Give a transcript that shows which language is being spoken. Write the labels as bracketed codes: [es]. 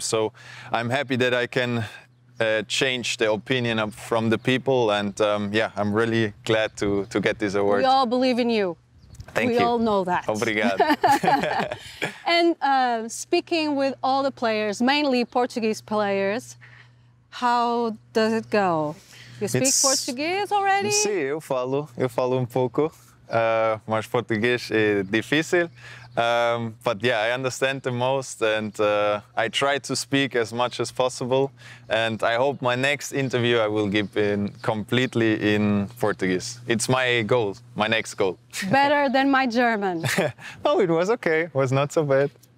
[en] So I'm happy that I can change the opinion from the people. And yeah, I'm really glad to get this award. We all believe in you. Thank we you. All know that. [pt] Obrigado. [en] And speaking with all the players, mainly Portuguese players, how does it go? You speak Portuguese already? [pt] Sim, eu falo um pouco, mas português é difícil. [en] But yeah, I understand the most, and I try to speak as much as possible. And I hope my next interview I will give in completely in Portuguese. It's my goal, my next goal. Better than my German. Oh, it was okay. It was not so bad.